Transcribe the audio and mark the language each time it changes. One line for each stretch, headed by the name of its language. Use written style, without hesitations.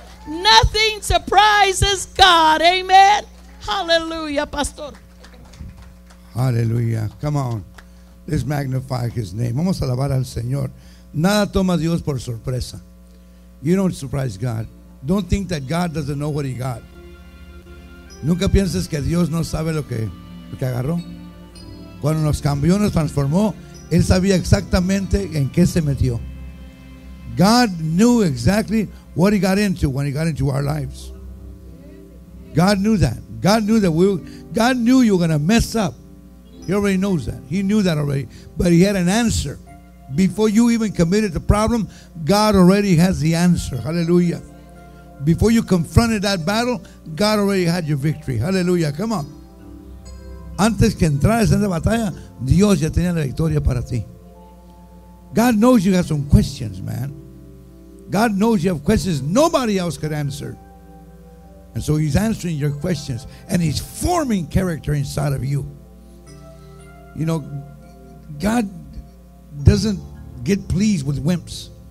English: Nothing surprises God. Amen. Hallelujah, Pastor. Hallelujah. Come on. Let's magnify his name.
Spanish: Vamos a alabar al Señor. Nada toma Dios por sorpresa.
English: You don't surprise God. Don't think that God doesn't know what he got.
Spanish: Nunca pienses que Dios no sabe lo que agarró. Cuando nos cambió, nos transformó, él sabía exactamente en qué se metió.
English: God knew exactly what he got into when he got into our lives. God knew that. God knew that God knew you were going to mess up. He already knows that. He knew that already. But he had an answer. Before you even committed the problem, God already has the answer. Hallelujah. Before you confronted that battle, God already had your victory. Hallelujah. Come on.
Spanish: Antes que entrares en la batalla, Dios ya tenía la victoria para ti.
English: God knows you have some questions, man. God knows you have questions nobody else could answer. And so he's answering your questions. And he's forming character inside of you. You know, God doesn't get pleased with wimps.